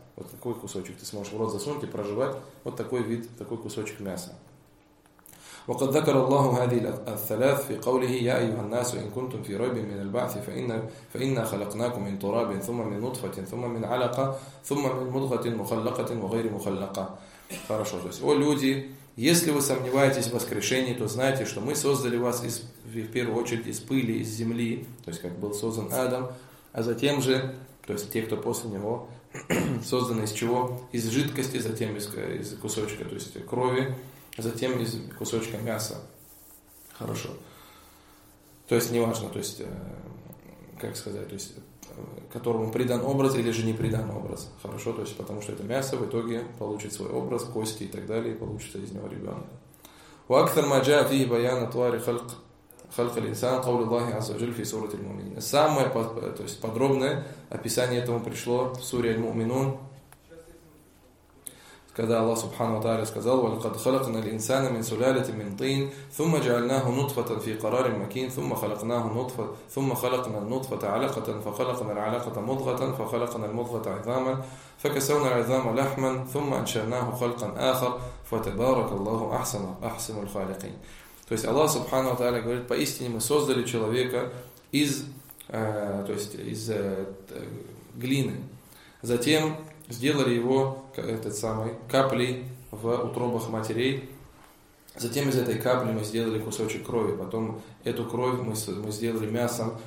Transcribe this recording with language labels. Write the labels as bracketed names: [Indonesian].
[Russian] Вот такой кусочек ты сможешь в рот засунуть и прожевать. Вот такой вид, такой кусочек мяса. [Arabic] وقد ذكر الله هذه الثلاث في قوله يا أيها الناس إن كنتم في ريب من البعث فإنا خلقناكم من تراب ثم من نطفة ثم من علقة ثم من مضغة مخلقة وغير مخلقة. [Russian] Хорошо, то есть, о люди, если вы сомневаетесь в воскрешении, то знайте, что мы создали вас из, в первую очередь из пыли, из земли, то есть как был создан Адам, а затем же, то есть те, кто после него созданы из чего? Из жидкости, затем из кусочка, то есть крови. Затем из кусочка мяса. Хорошо. То есть, неважно, то есть, как сказать, то есть, которому придан образ или же не придан образ. Хорошо, то есть, потому что это мясо в итоге получит свой образ, кости и так далее, и получится из него ребенок. [Arabic] وَأَكْثَرْ مَا جَاءَ فِيهِ بَيَانَ طُوَارِ خَلْقَ الْإِنسَانَ قَوْلِ اللَّهِ عَزَّ وَجَلْ فِي سُورَةِ الْمُؤْمِنِينَ. [Russian] Самое, то есть, подробное описание этому пришло в суре «Аль-Му'минун». Когда Аллах Субхану ва Тааля сказал: [Arabic] وَلَقَدْ خَلَقْنَا الْإِنسَانَ مِنْ سُلَالَةٍ مِنْ طِينٍ ثُمَّ جَعَلْنَاهُ نُطْفَةً فِي قَرَارٍ مَكِينٍ ثُمَّ خَلَقْنَاهُ نُطْفَةً ثُمَّ خَلَقْنَا النُّطْفَةَ عَلَقَةً فَخَلَقْنَا الْعَلَقَةَ مُضْغَةً فَخَلَقْنَا الْمُضْغَةَ عِظَامًا فَكَسَوْنَا الْعِظَامَ لَحْمًا ثُمَّ أَنْشَأْنَاهُ خَلْقًا آخَرَ فَتَبَارَكَ اللَّهُ أَحْسَنُ الْخَالِقِينَ. [Russian] То есть Аллах Субхану ва Тааля говорит: поистине мы создали человека из глины. Затем сделали его, этот самый, каплей в утробах матерей. Затем из этой капли мы сделали кусочек крови. Потом эту кровь мы сделали мясом.